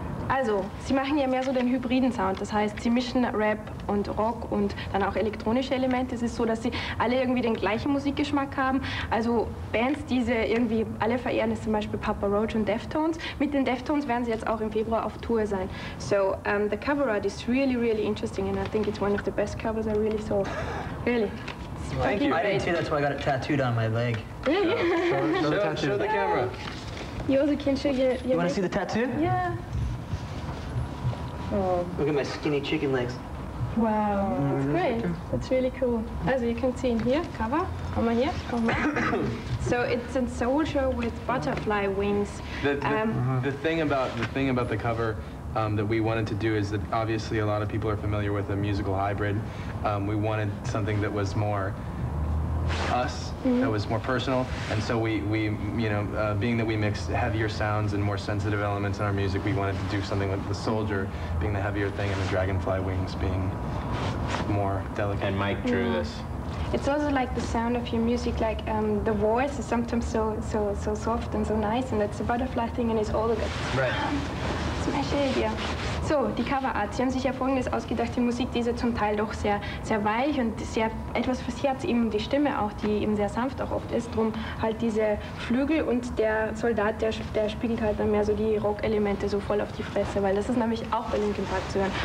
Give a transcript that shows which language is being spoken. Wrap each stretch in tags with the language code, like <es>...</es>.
<de>Also, sie machen ja mehr so den hybriden Sound. Das heißt, sie mischen Rap und Rock und dann auch elektronische Elemente. Es ist so, dass sie alle irgendwie den gleichen Musikgeschmack haben. Also Bands, die sie irgendwie alle verehren, ist zum Beispiel Papa Roach und Deftones. Mit den Deftones werden sie jetzt auch im Februar auf Tour sein.</de> <en>So, the cover art is really, really interesting and I think it's one of the best covers I really saw. Really. Thank you. I did too, that's why I got it tattooed on my leg. Really? Show the camera. You also can show your You want to see the tattoo? Yeah. Oh. Look at my skinny chicken legs. Wow, that's great. That's really cool. Also, you can see in here, cover. Come on here, come on. So it's a soul show with butterfly wings. The thing about the cover that we wanted to do is that obviously a lot of people are familiar with a musical hybrid. We wanted something that was more us, mm-hmm. that was more personal. And so we being that we mix heavier sounds and more sensitive elements in our music, we wanted to do something with the soldier being the heavier thing and the dragonfly wings being more delicate. And Mike drew mm-hmm. this. It's also like the sound of your music, like the voice is sometimes so soft and so nice, and that's a butterfly thing and it's all of it. Right. Smash it, yeah.</en> <de>So, die Coverart. Sie haben sich ja Folgendes ausgedacht, die Musik, die ist ja zum Teil doch sehr, sehr weich und sehr etwas fürs Herz, eben die Stimme auch, die eben sehr sanft auch oft ist, drum halt diese Flügel und der Soldat, der spiegelt halt dann mehr so die Rock-Elemente so voll auf die Fresse, weil das ist nämlich auch bei Linkin Park zu hören.</de>